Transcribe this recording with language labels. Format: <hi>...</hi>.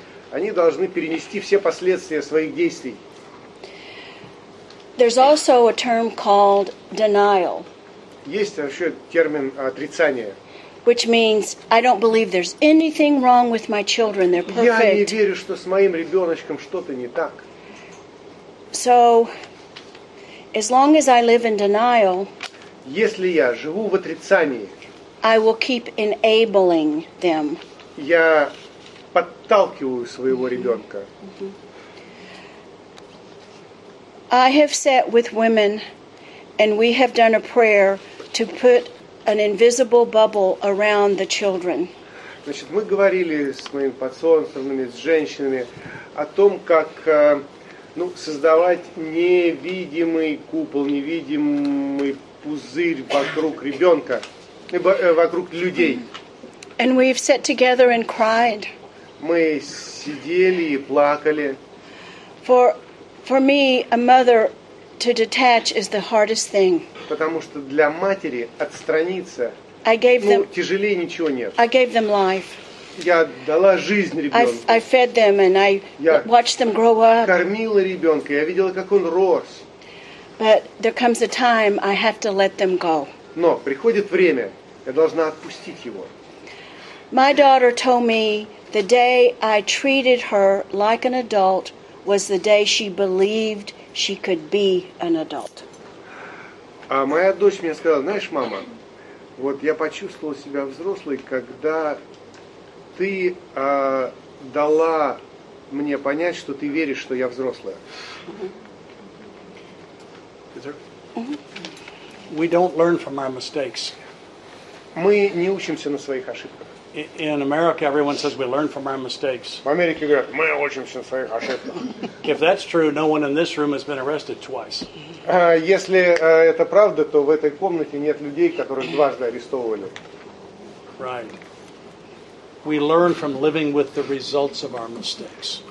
<ru>Они должны перенести все последствия своих действий.</ru> <en>There's also a term called denial.</en> <ru>Есть вообще термин отрицание.</ru> <en>Which means I don't believe there's anything wrong with my children. They're perfect.</en> <ru>Я не верю, что с моим ребёночком что-то не так.</ru> <en>So, as long as I live in denial,</en> <ru>если я живу в отрицании,</ru> <en>I will keep enabling them.</en> <ru>я подталкиваю своего ребенка.</ru> <en>I have sat with women and we have done a prayer to put an invisible bubble around the children.</en> <ru>Значит, мы говорили с моим подсолнцем, с женщинами о том, как создавать невидимый купол, невидимый пузырь вокруг ребенка, вокруг людей.</ru> <en>And we've sat together and cried.</en> <ru>Мы сидели и плакали.</ru> <en>For me, a mother to detach is the hardest thing.</en> <ru>Потому что для матери отстраниться, тяжелее ничего нет.</ru> <en>I gave them life.</en> <ru>Я дала жизнь ребенку.</ru> <en>I fed them and I watched them grow up.</en> <ru>Кормила ребенка, я видела, как он рос.</ru> <en>But there comes a time I have to let them go.</en> <ru>Но приходит время, я должна отпустить его.</ru> <en>My daughter told me the day I treated her like an adult was the day she believed she could be an adult.</en> <ru>А моя дочь мне сказала, знаешь, мама, вот я почувствовала себя взрослой, когда ты дала мне понять, что ты веришь, что я взрослая.</ru> <en>We don't learn from our mistakes.</en> <ru>Мы не учимся на своих ошибках.</ru> <en>In America, everyone says we learn from our mistakes.</en> <ru>В Америке говорят, мы учимся на своих ошибках.</ru> <en>If that's true, no one in this room has been arrested twice.</en> <ru>Если это правда, то в этой комнате нет людей, которых дважды арестовывали.</ru> <en>Right. We learn from living with the results of our mistakes.</en>